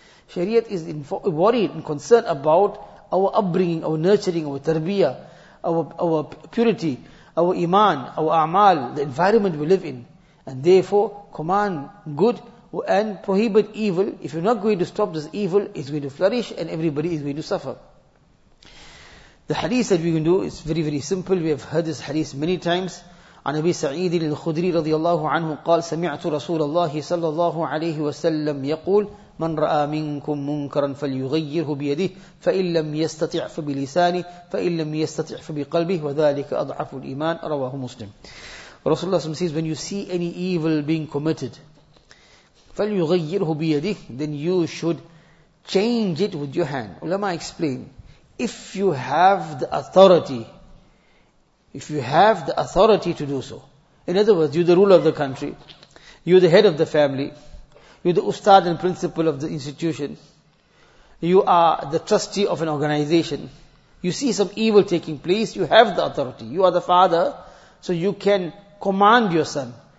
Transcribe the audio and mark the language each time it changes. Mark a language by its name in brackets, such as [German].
[English] Shariat is worried and concerned about our upbringing, our nurturing, our tarbiyah, our purity, our iman, our a'mal, the environment we live in. And therefore, command good and prohibit evil. If you're not going to stop this evil, it's going to flourish and everybody is going to suffer. The hadith that we can do is very, very simple. We have heard this hadith many times. [Arabic] عن أبي سعيد الخدري رضي الله عنه قال سمعت رسول الله صلى الله عليه وسلم يقول من رأى منكم منكرا فليغيره بيده فإن لم يستطع فبلسانه فإن لم يستطع فبقلبه وذلك أضعف الإيمان رواه مسلم. [English] رسول الله says when you see any evil being committed [Arabic] فليغيره بيده, [English] then you should change it with your hand. Let me explain. If you have the authority, if you have the authority to do so, in other words, you're the ruler of the country, you're the head of the family, you're the ustad and principal of the institution, you are the trustee of an organization, you see some evil taking place, you have the authority, you are the father, so you can command your son.